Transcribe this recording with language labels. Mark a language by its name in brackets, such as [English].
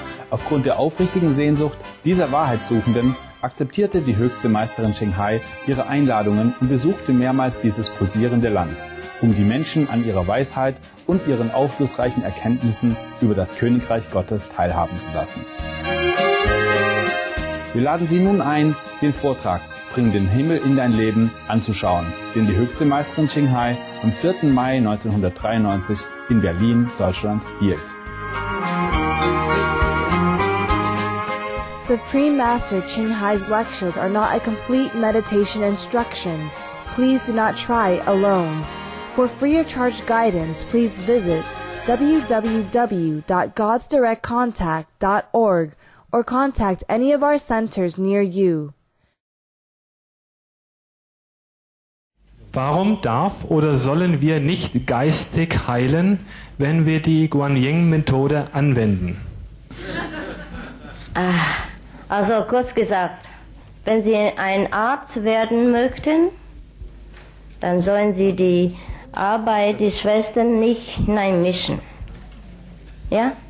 [German] Aufgrund der aufrichtigen Sehnsucht dieser Wahrheitssuchenden akzeptierte die höchste Meisterin Qinghai ihre Einladungen und besuchte mehrmals dieses pulsierende Land, um die Menschen an ihrer Weisheit und ihren aufschlussreichen Erkenntnissen über das Königreich Gottes teilhaben zu lassen. Wir laden Sie nun ein, den Vortrag Bring den Himmel in dein Leben anzuschauen, den die höchste Meisterin Qinghai am 4. Mai 1993 in Berlin, Deutschland hielt. [English] Supreme Master Qinghai's lectures are not a complete meditation instruction. Please do not try alone. For free of charge guidance, please visit www.godsdirectcontact.org or contact any of our centers near you. [German] Warum darf oder sollen wir nicht geistig heilen, wenn wir die Guanyin-Methode anwenden? Also kurz gesagt, wenn Sie ein Arzt werden möchten, dann sollen Sie die Arbeit der Schwestern nicht hineinmischen. Ja?